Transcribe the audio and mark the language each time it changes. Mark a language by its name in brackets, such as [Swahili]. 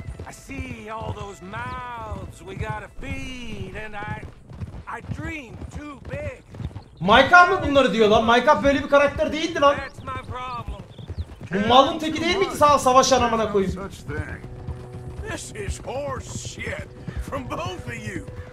[English] I see all those mouths we gotta feed, and I dream too big. [Turkish] Micah mı bunları diyor lan? Micah böyle bir karakter değildi lan. [English] That's my problem. [Turkish] Bu malın teki değil miydi sağ savaşan amına koyayım? [English] This is horse shit from both of you.